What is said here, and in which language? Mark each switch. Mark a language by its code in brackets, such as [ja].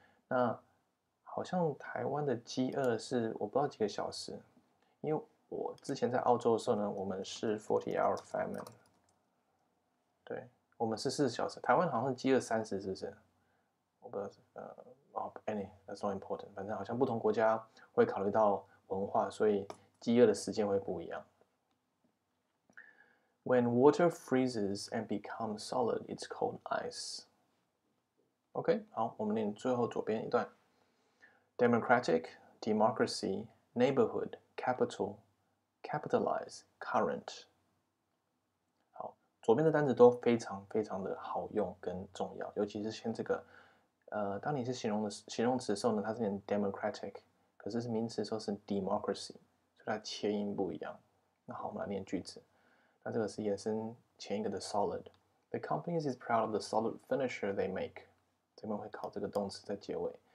[zh] 那好像台湾的饥饿是我不知道几个小时，因为我之前在澳洲的时候呢，我们是 [en] 40-hour famine。 [zh] 对，我们是4小时，台湾好像是饥饿30，是不是？我不知道， [en] that's not important。 [zh] 反正好像不同国家会考虑到文化，所以饥饿的时间会不一样。 [en] When water freezes and becomes solid, it's called ice. Okay, [zh] 好，我们念最后左边一段。 [en] Democratic, democracy, neighborhood, capital, capitalize, current. [zh] 好，左边的单字都非常非常的好用跟重要，尤其是像这个，当你是形容词的时候呢，它是念 democratic， 可是是名词的时候是 democracy， 所以它切音不一样。那好，我们来念句子。那这个是延伸前一个的 solid。 [en] The company is proud of the solid finisher they make。 [zh] 这边会考这个动词在结尾。